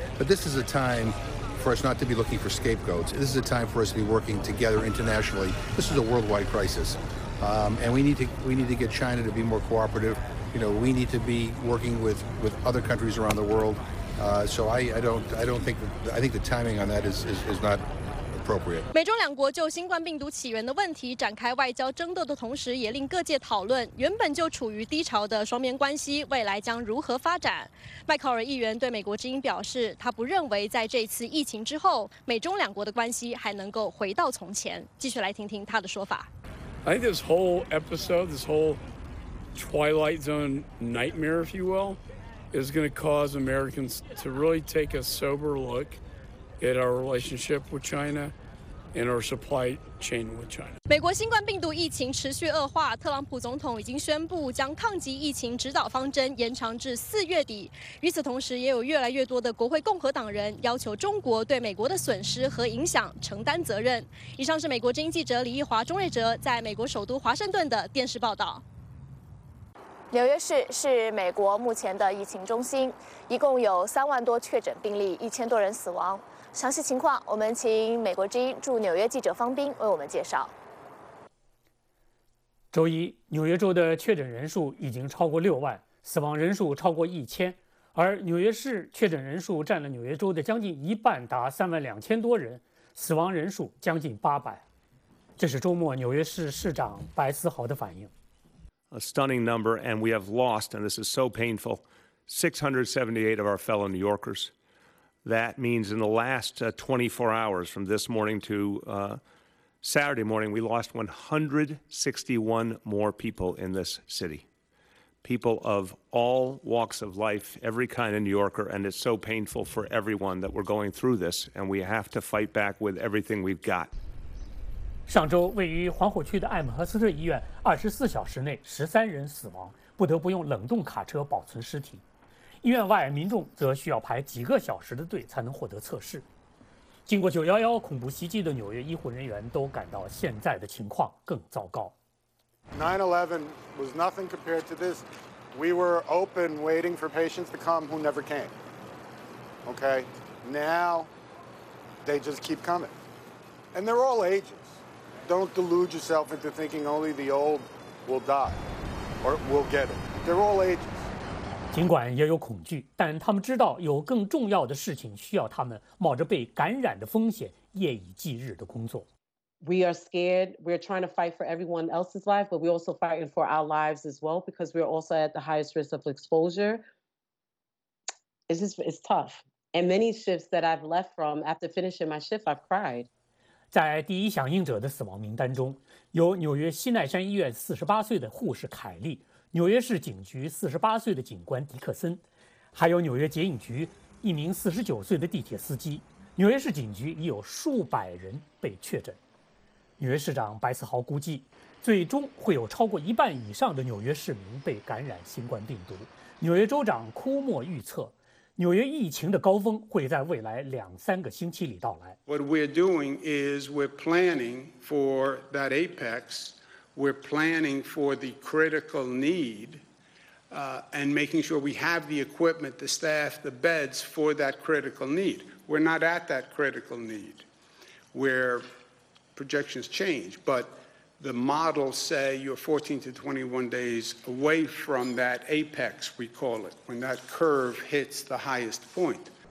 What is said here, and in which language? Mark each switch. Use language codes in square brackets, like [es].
[en] But this is a time for us not to be looking for scapegoats. This is a time for us to be working together internationally. This is a worldwide crisis. And we need to get China to be more cooperative. You know, we need to be working with other countries around the world. So I think the timing on that is not appropriate. [zh] 美中两国就新冠病毒起源的问题展开外交争斗的同时，也令各界讨论原本就处于低潮的双边关系未来将如何发展。麦考尔议员对美国之音表示，他不认为在这次疫情之后，美中两国的关系还能够回到从前。继续来听听他的说法。 [en] I think this whole episode, this whole Twilight Zone nightmare, if you will, is going to cause Americans to really take a sober look at our relationship with China and our supply chain with China. [zh] 美国新冠病毒疫情持续恶化，特朗普总统已经宣布将抗击疫情指导方针延长至四月底。与此同时，也有越来越多的国会共和党人要求中国对美国的损失和影响承担责任。以上是美国之音记者李毅华、钟瑞哲在美国首都华盛顿的电视报道。纽约市是美国目前的疫情中心，一共有30,000多确诊病例，1,000多人死亡。详细情况，我们请美国之音驻纽约记者方斌为我们介绍。周一，纽约州的确诊人数已经超过60,000，死亡人数超过1,000，而纽约市确诊人数占了纽约州的将近一半，达32,000多人，死亡人数将近800。这是周末纽约市市长白思豪的反应。 [en] A stunning number, and we have lost, and this is so painful, 678 of our fellow New Yorkers. That means in the last 24 hours from this morning to Saturday morning, we lost 161 more people in this city. People of all walks of life, every kind of New Yorker, and it's so painful for everyone that we're going through this, and we have to fight back with everything we've got. [zh] 上周位于黄浦区的艾姆和斯特医院24小时内13人死亡，不得不用冷冻卡车保存尸体。医院外民众则需要排几个小时的队才能获得测试。经过911恐怖袭击的纽约医护人员都感到现在的情况更糟糕。 [en] 9/11 was nothing compared to this. We were open waiting for patients to come who never came. Okay, now they just keep coming. And they're all ages. Don't delude yourself into thinking only the old will die or will get it. They're all ages. [zh] 尽管也有恐惧，但他们知道有更重要的事情需要他们冒着被感染的风险夜以继日的工作。 [en] We are scared. We're trying to fight for everyone else's life, but we're also fighting for our lives as well because we're also at the highest risk of exposure. It's tough. And many shifts that I've left from after finishing my shift, I've cried. [zh] 在第一响应者的死亡名单中，有纽约西奈山医院48岁的护士凯莉。纽约市警局48岁的警官迪克森，还有纽约捷运局一名49岁的地铁司机。纽约市警局已有数百人被确诊。纽约市长白思豪估计，最终会有超过一半以上的纽约市民被感染新冠病毒。纽约州长库莫预测，纽约疫情的高峰会在未来2-3个星期里到来。 [en] What we're doing is we're planning for that apex. We're planning for the critical need, and making sure we have the equipment, the staff, the beds for that critical need. We're not at that critical need, where projections change, but the models say you're 14 to 21 days away from that apex, we call it, when that curve hits the highest point.